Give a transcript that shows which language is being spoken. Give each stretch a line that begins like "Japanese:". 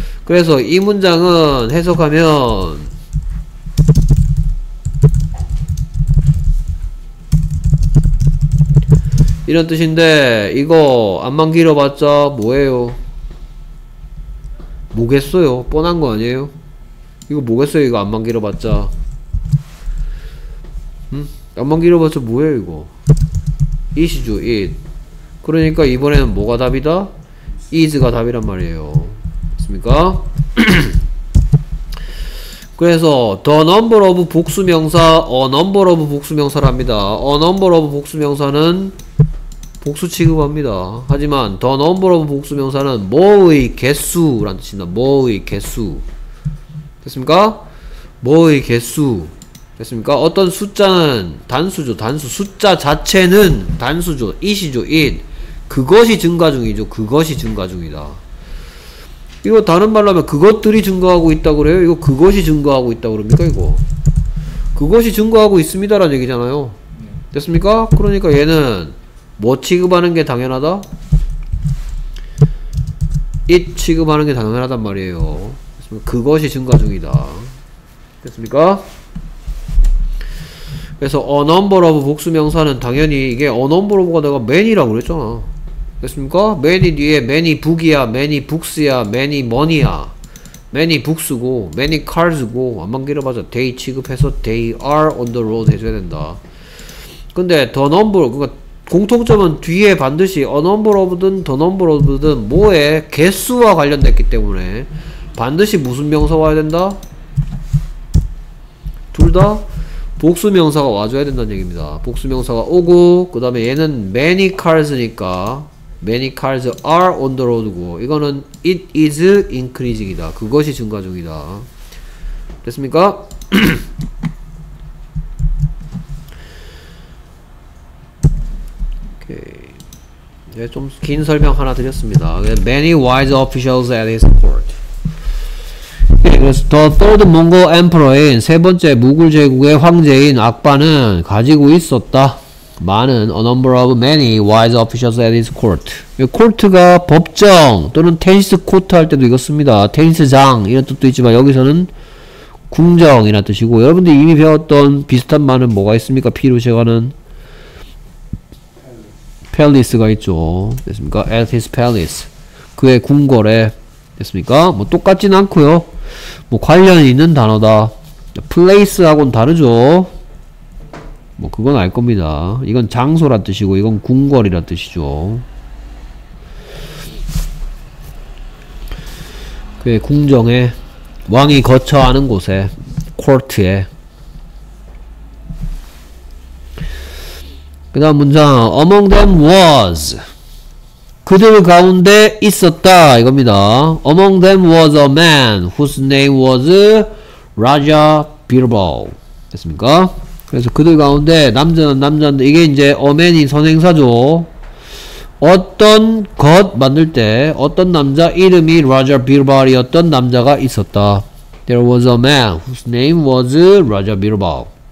Korean: 그래서 이 문장은 해석하면 이런 뜻인데 이거 앞만 길어봤자 뭐예요? 뭐겠어요? 뻔한 거 아니에요? 이거 뭐겠어요? 이거 앞만 길어봤자 앞만 길어봤자 뭐예요 이거? is죠, it. 그러니까 이번에는 뭐가 답이다? is가 답이란 말이에요. 맞습니까? 그래서 the number of 복수명사 a number of 복수명사랍니다. a number of 복수명사는 복수 취급합니다. 하지만 the number of 복수명사는 뭐의 개수란 뜻입니다. 뭐의 개수. 됐습니까? 뭐의 개수. 됐습니까? 어떤 숫자는 단수죠. 단수. 숫자 자체는 단수죠. it이죠. it. 그것이 증가 중이죠. 그것이 증가 중이다. 이거 다른 말로 하면 그것들이 증가하고 있다 그래요? 이거 그것이 증가하고 있다 그럽니까? 이거 그것이 증가하고 있습니다라는 얘기잖아요. 됐습니까? 그러니까 얘는 뭐 취급하는 게 당연하다? it 취급하는 게 당연하단 말이에요. 됐습니까? 그것이 증가 중이다. 됐습니까? 그래서 a number of 복수명사는 당연히 이게 a number of가 내가 many라고 그랬잖아. 됐습니까? many 뒤에 many book이야, many books야, many money야. many books고 many cars고 안만 길어봐서 they 취급해서
English: they are on the road
Korean: 해줘야 된다. 근데 the number, 그러니까 공통점은 뒤에 반드시 a number of든 the number of든 뭐에 개수와 관련됐기 때문에 반드시 무슨 명사 와야 된다? 둘 다? 복수명사가 와줘야 된다는 얘기입니다. 복수명사가 오고 그 다음에 얘는 many cars니까
English: many cars are on the road
Korean: 고 이거는
English: it is increasing
Korean: 이다. 그것이 증가 중이다. 됐습니까? 오케이. 네, 좀 긴 설명 하나 드렸습니다.
English: many wise officials at his court.
Korean: 그래서
English: the third Mongol emperor
Korean: 인 세 번째 무굴 제국의 황제인 악바는 가지고 있었다 많은
English: a number of many wise officials at his court.
Korean: 이 court가 법정 또는 테니스 코트 할 때도 이거 씁니다. 테니스장 이런 뜻도 있지만 여기서는 궁정이라는 뜻이고 여러분들이 이미 배웠던 비슷한 말은 뭐가 있습니까? 피루시가는 palace가 있죠. 됐습니까?
English: at his palace
Korean: 그의 궁궐에 됐습니까? 뭐 똑같진 않고요. 뭐 관련이 있는 단어다. place하고는 다르죠. 뭐 그건 알 겁니다. 이건 장소란 뜻이고 이건 궁궐이란 뜻이죠. 그의 궁정에 왕이 거처하는 곳에 court에. 그 다음 문장
English: among them was
Korean: 그들 가운데 있었다 이겁니다.
English: Among them was a man whose name was Raja Birbal.
Korean: 됐습니까? 그래서 그들 가운데 남자는 남자인데 이게 이제 a man이 선행사죠. 어떤 것 만들 때 어떤 남자 이름이 Raja Birbal이었던 남자가 있었다.
English: There was a man whose name was Raja Birbal.